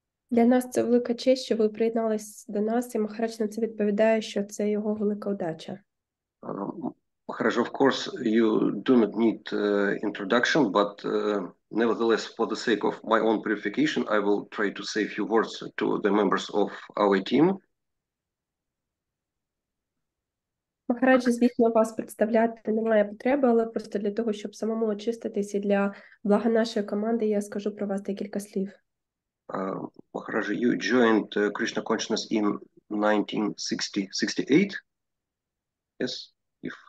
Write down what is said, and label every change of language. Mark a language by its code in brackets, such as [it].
[uk] Для нас це велика честь, що ви приєднались до нас, і Махарадж на це відповідає, що це його велика удача. [en] Махарадж, of course, you do not need introduction, but nevertheless, for the sake of my own purification, I will try to say a few words to the members of our team. [uk] Махарадж, звісно, вас представляти немає потреби, але просто для того, щоб самому очиститись і для блага нашої команди, я скажу про вас декілька слів. [en] Maharaj, you joined Krishna consciousness in 1968, yes, if